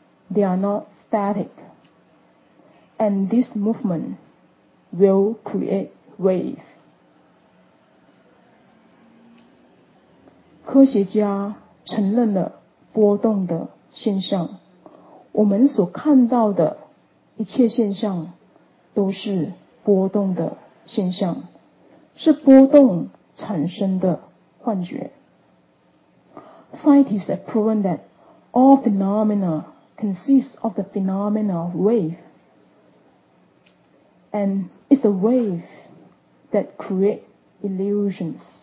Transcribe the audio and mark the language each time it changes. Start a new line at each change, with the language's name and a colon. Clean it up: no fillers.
English: They are not static, and this movement will create wave.
Chinese: 科学家承认了波动的现象，我们所看到的一切现象都是波动的现象，是波动产生的幻觉。
English: Scientists have proven that all phenomena consists of the phenomena of wave, and it's the wave that create illusions.